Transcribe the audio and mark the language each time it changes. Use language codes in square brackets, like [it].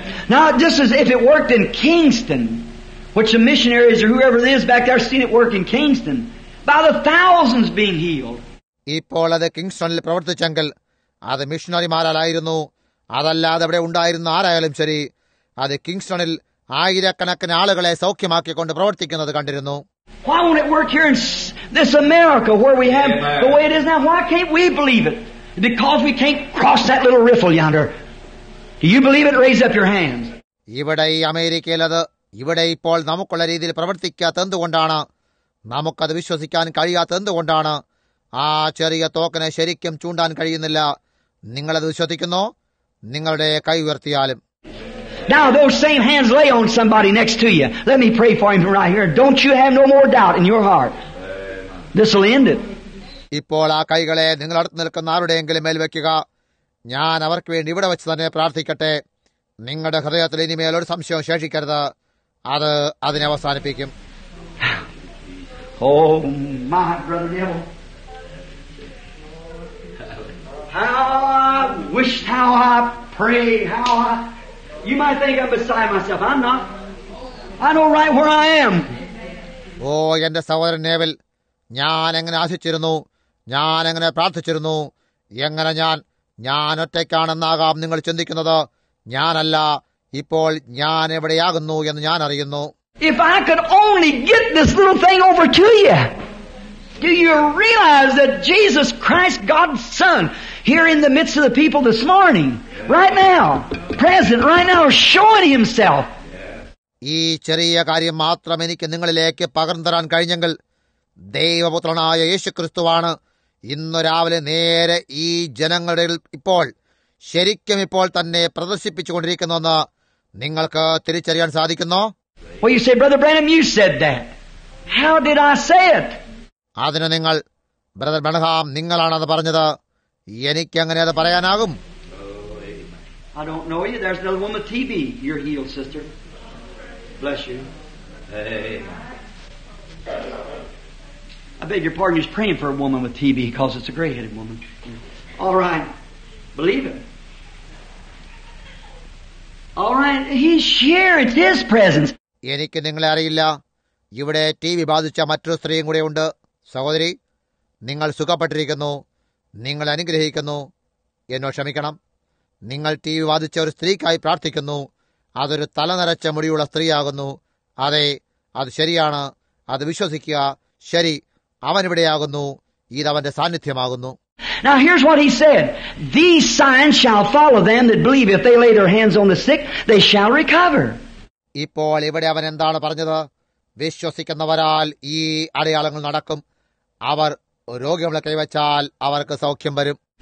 [en] Now just as if it worked in Kingston, which the missionaries or whoever it is back there seen it work in Kingston, by the thousands being healed. [ml] ഇപ്പോൾ അത് കിങ്സ്റ്റണിൽ പ്രവർത്തിച്ചെങ്കിൽ അത് മിഷണറിമാരാലായിരുന്നു. അതല്ലാതെ അവിടെ ഉണ്ടായിരുന്ന ആരായാലും ശരി, അത് കിങ്സ്റ്റണിൽ ആയിരക്കണക്കിന് ആളുകളെ സൗഖ്യമാക്കിക്കൊണ്ട് പ്രവർത്തിക്കുന്നത് കണ്ടിരുന്നു. [en] Why won't it work here in this America where we have Amen. The way it is now? Why can't we believe it? Because we can't cross that little riffle yonder. Do you believe it? Raise up your hands. [ml] ഇവിടെ ഈ അമേരിക്കയിൽ അത് ഇവിടെ ഇപ്പോൾ നമുക്കുള്ള രീതിയിൽ പ്രവർത്തിക്കാത്ത എന്തുകൊണ്ടാണ്? നമുക്കത് വിശ്വസിക്കാൻ കഴിയാത്ത എന്തുകൊണ്ടാണ്? ആ ചെറിയ തോക്കിനെ ശരിക്കും ചൂണ്ടാൻ കഴിയുന്നില്ല. നിങ്ങളത് വിശ്വസിക്കുന്നു? നിങ്ങളുടെ കൈ ഉയർത്തിയാലും. [en] Now those same hands lay on somebody next to you. Let me pray for him right here. Don't you have no more doubt in your heart. This will end it. [ml] ഇപ്പോൾ ആ കൈകളെ നിങ്ങൾ അടുത്ത് നിൽക്കുന്ന ആരുടെയെങ്കിലും മേൽ വെക്കുക. ഞാൻ അവർക്ക് വേണ്ടി ഇവിടെ വെച്ച് തന്നെ പ്രാർത്ഥിക്കട്ടെ. നിങ്ങളുടെ ഹൃദയത്തിൽ ഇനിമേൽ ഒരു സംശയവും ശേഷിക്കരുത്. അത് അതിനെ അവസാനിപ്പിക്കും. [en] Oh, my brother devil. How I wish, how I pray, how I... You might think I'm beside myself. I'm not. I know right where I am. [ml] Oh, എന്റെ സഹോദരൻ നേവിൽ, ഞാൻ എങ്ങനെ ആശിച്ചിരുന്നു, ഞാൻ എങ്ങനെ പ്രാർത്ഥിച്ചിരുന്നു, എങ്ങനെ ഞാൻ ഒറ്റയ്ക്കാണെന്നാകാം നിങ്ങൾ ചിന്തിക്കുന്നത്. ഞാനല്ല, ഇപ്പോൾ ഞാൻ എവിടെയാകുന്നു എന്ന് ഞാൻ അറിയുന്നു. [en] If I could only get this little thing over to you. Do you realize that Jesus Christ, God's Son, here in the midst of the people this morning, right now, present right now, showing himself. [ml] ഈ ചെറിയ കാര്യം മാത്രം എനിക്ക് നിങ്ങളിലേക്ക് പകർന്നു തരാൻ കഴിഞ്ഞെങ്കിൽ, ദൈവപുത്രനായ യേശു ക്രിസ്തുവാണ് ഇന്നു രാവിലെ നേരെ ഈ ജനങ്ങളുടെ ഇപ്പോൾ ശരിക്കും ഇപ്പോൾ തന്നെ പ്രദർശിപ്പിച്ചുകൊണ്ടിരിക്കുന്നതെന്ന് നിങ്ങൾക്ക് തിരിച്ചറിയാൻ സാധിക്കുന്നോ? [en] Well, you say, Brother Branham, you said that. How did I say it? [ml] അതിന് നിങ്ങൾ, ബ്രദർ ബ്രാൻഹാം, നിങ്ങളാണ് അത് പറഞ്ഞത്, എനിക്ക് എങ്ങനെ അത് പറയാനാകും? [en] I don't know you. There's another woman, TB. You're healed, sister. Bless you. Hey. I beg your pardon. He's praying for a woman with TB because it's a gray-headed woman. All right. Believe it. All right. He's here. It's his presence. [ml] എനിക്ക് നിങ്ങളെ അറിയില്ല, ഇവിടെ TB ബാധിച്ച മറ്റൊരു സ്ത്രീയും കൂടെ ഉണ്ട്. സഹോദരി, നിങ്ങൾ സുഖപ്പെട്ടിരിക്കുന്നു, നിങ്ങൾ അനുഗ്രഹിക്കുന്നു. എന്നോ ക്ഷമിക്കണം, നിങ്ങൾ ടിബി ബാധിച്ച ഒരു സ്ത്രീക്കായി പ്രാർത്ഥിക്കുന്നു. അതൊരു തലനിറച്ച മുടിയുള്ള സ്ത്രീയാകുന്നു. അതെ, അത് ശരിയാണ്, അത് വിശ്വസിക്കുക. ശരി, അവനിവിടെയാകുന്നു, ഇത് അവന്റെ സാന്നിധ്യമാകുന്നു. [en] Now here's what he said. These signs shall follow them that believe. If they lay their hands on the sick, they shall recover. [ml] ഇപ്പോൾ ഇവിടെ അവൻ എന്താണ് പറഞ്ഞത്? വിശ്വസിക്കുന്നവരാൽ ഈ അടയാളങ്ങൾ നടക്കും. അവർ രോഗികളെ കൈവച്ചാൽ അവർക്ക് സൗഖ്യം വരും.